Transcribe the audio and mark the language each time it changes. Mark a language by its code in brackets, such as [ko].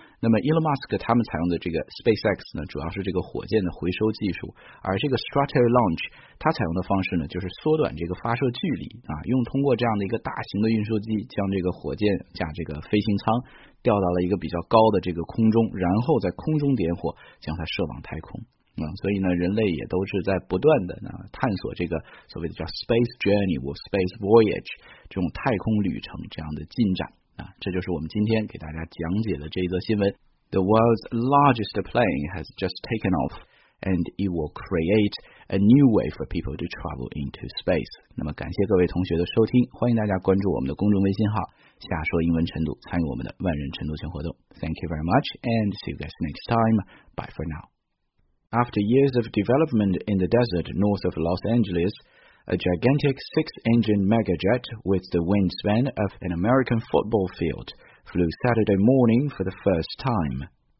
[zh] 那么 Elon Musk 他们采用的这个 SpaceX 呢主要是这个火箭的回收技术，而这个 Strato Launch 它采用的方式呢就是缩短这个发射距离啊，用通过这样的一个大型的运输机将这个火箭加这个飞行舱掉到了一个比较高的这个空中，然后在空中点火将它射往太空。所以呢人类也都是在不断的探索这个所谓的叫 space journey 或 space voyage 这种太空旅程这样的进展啊。这就是我们今天给大家讲解的这一则新闻。 [en] The world's largest plane has just taken off and it will create a new way for people to travel into space。 [zh] 那么感谢各位同学的收听，欢迎大家关注我们的公众微信号瞎说英文晨读，参与我们的万人晨读群活动。 [en] Thank you very much and see you guys next time. Bye for now. After years of development in the desert north of Los Angeles, a gigantic six-engine megajet with the wingspan of an American football field flew Saturday morning for the first time.